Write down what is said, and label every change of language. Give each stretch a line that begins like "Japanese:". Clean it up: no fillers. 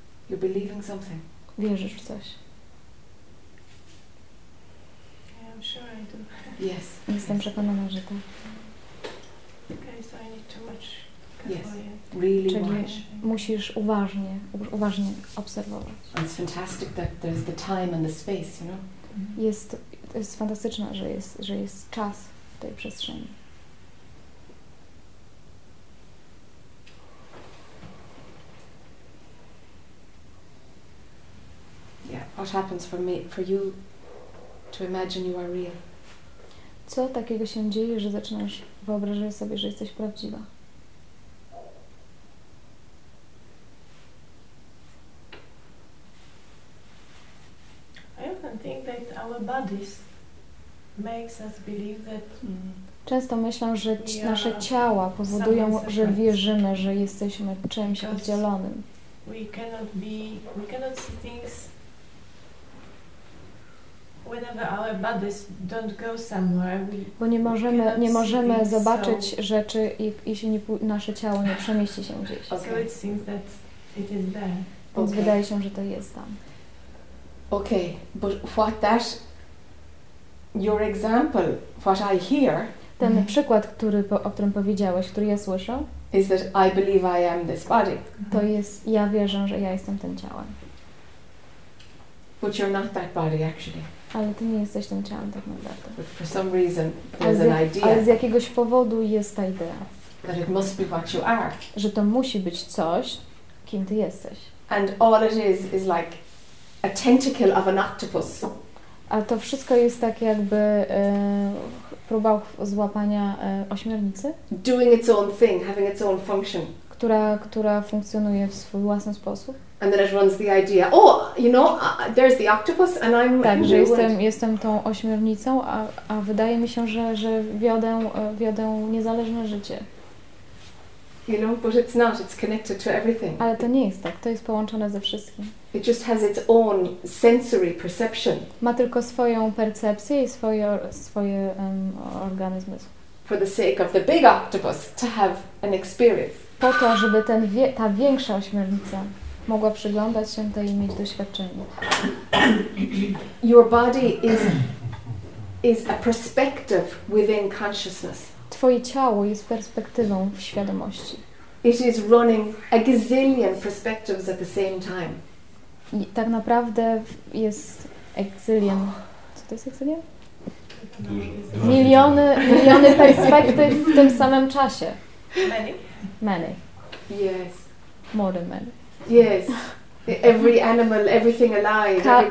English: You're believing something.
Polish: Wierzysz w coś.
English: Sure, I do. Yes.
Polish: Jestem przekonana, że tak.
English: Okay, so I need too much. Yes. Really.
Polish: Czyli
English: much.
Polish: Musisz uważnie obserwować.
English: And it's fantastic that there's the time and the space, you know.
Polish: Jest fantastyczne, że jest czas w tej przestrzeni.
English: Yeah. What happens for me, for you? To imagine you are real.
Polish: Co takiego się dzieje, że zaczynasz wyobrażać sobie, że jesteś prawdziwa?
English: I often think that our bodies makes us believe that.
Polish: Często myślę, że nasze ciała powodują, że wierzymy, że jesteśmy czymś oddzielonym.
English: We cannot see things. Whenever our bodies don't go somewhere,
Polish: bo nie możemy zobaczyć rzeczy, jeśli nasze ciało nie przemieści się gdzieś.
English: So it seems that it is there.
Polish: Więc wydaje się, że to jest tam.
English: Okay, but what that your example, what I hear,
Polish: ten przykład, o którym powiedziałeś, który ja słyszę,
English: is that I believe I am this body.
Polish: To jest, ja wierzę, że ja jestem tym ciałem.
English: But you're not that body, actually.
Polish: Ale ty nie jesteś tym ciałem tak naprawdę.
English: But for some reason there's an idea.
Polish: Ale z jakiegoś powodu jest ta idea.
English: That it must be what you are.
Polish: Że to musi być coś, kim ty jesteś.
English: And all it is like a tentacle of an octopus.
Polish: A to wszystko jest tak jakby próba złapania ośmiornicy.
English: Doing its own thing, having its own function.
Polish: Która funkcjonuje w swój własny sposób.
English: And then it runs the idea. Oh, you know, there's the octopus, and I'm.
Polish: Tak, że jestem tą ośmiornicą, a wydaje mi się, że wiodę niezależne życie.
English: You know, but it's not. It's connected to everything.
Polish: Ale to nie jest tak. To jest połączone ze wszystkim.
English: It just has its own sensory perception.
Polish: Ma tylko swoją percepcję i swoje organy zmysłu.
English: For the sake of the big octopus to have an experience.
Polish: Po to, żeby ta większa ośmiornica mogła przyglądać się tej i mieć doświadczenie.
English: Your body is a perspective within consciousness.
Polish: Twoje ciało jest perspektywą w świadomości.
English: It is running a gazillion perspectives at the same time.
Polish: I tak naprawdę jest exilion. Co to jest exilion? Miliony perspektyw w tym samym czasie.
English: Many. Many. Yes. More than many. Yes. Every animal, everything alive, every person.